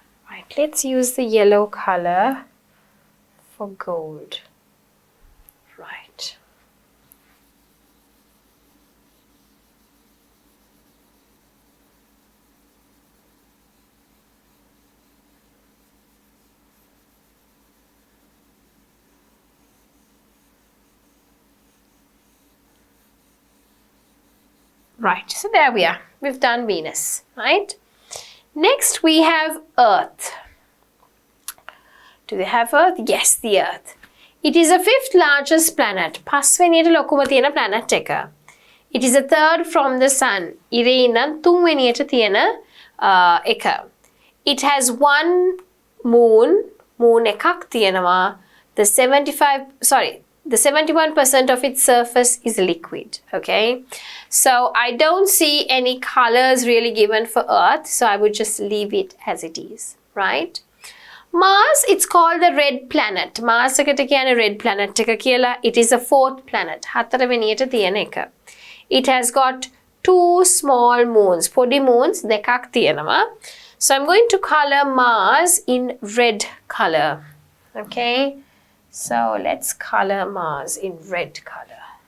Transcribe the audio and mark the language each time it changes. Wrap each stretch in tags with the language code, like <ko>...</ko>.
<en>right let's use the yellow color for gold right Right, so there we are. We've done Venus, right? Next, we have Earth. Do they have Earth? Yes, the Earth. It is the fifth largest planet.</en> <si>පස්වෙනියට ලොකුම තියෙන planet එක.</si> <en>It is the third from the sun.</en> <si>ඉරේ ඉඳන් තුන්වෙනියට තියෙන එක.</si> <en>It has one moon.</en> <si>Moon එකක් තියෙනවා.</si> <en>The 71% of its surface is liquid, okay? So, I don't see any colors really given for Earth, so I would just leave it as it is, right? Mars, it's called the red planet.</en> <si>Mars එකට කියන්නේ red planet එක කියලා.</si> <en>It is a fourth planet.</en> <si>හතරවෙනියට තියෙන එක.</si> <en>It has got two small moons.</en> <si>පොඩි moons දෙකක් තියෙනවා.</si> <en>So, I'm going to color Mars in red color, okay? So let's color Mars in red color.</en>